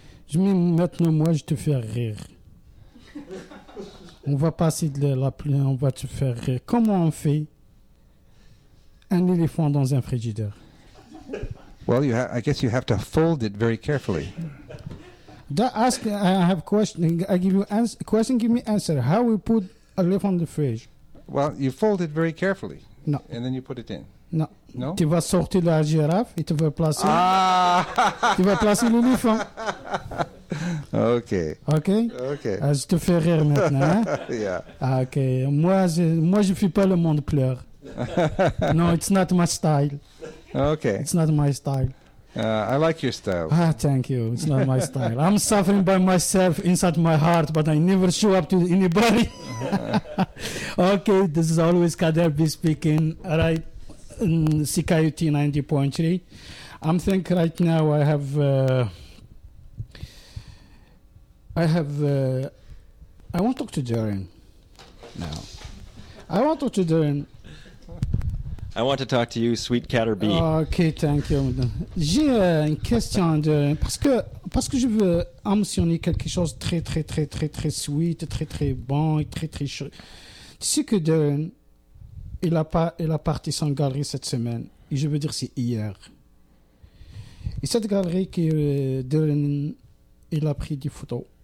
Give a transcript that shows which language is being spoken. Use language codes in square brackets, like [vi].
[fr] Je mets maintenant moi je te fais rire. On va passer de la pluie, on va te faire rire. Comment on fait un éléphant dans un frigidaire? [en] Well, I guess you have to fold it very carefully. I have a question. I give you answer. Question, give me answer. How we put a leaf on the fridge? Well, you fold it very carefully. No. And then you put it in. No. No? [fr] Tu vas sortir la girafe et tu vas placer. Ah! Tu vas placer le leaf on. [en] Okay. Okay? Okay. [fr] Je te fais rire maintenant. Hein? [en] Yeah. [fr] Okay. Moi, je fais pas le monde pleure. [en] No, it's not my style. Okay. It's not my style. I like your style. Ah, thank you. It's not my style. I'm suffering by myself inside my heart, but I never show up to anybody. Okay, this is always Kader B speaking, right? In CKUT 90.3. I'm thinking right now I want to talk to Darren now. I want to talk to Darren. I want to talk to you, sweet Catter B. Ok, thank you. [fr] J'ai une question de, parce que je veux mentionner quelque chose de très très très très très sweet, très très bon et très très chaud. Tu sais que Darren, il a parti son galerie cette semaine. Et je veux dire, c'est hier. Et cette galerie que Darren, il a pris des photos.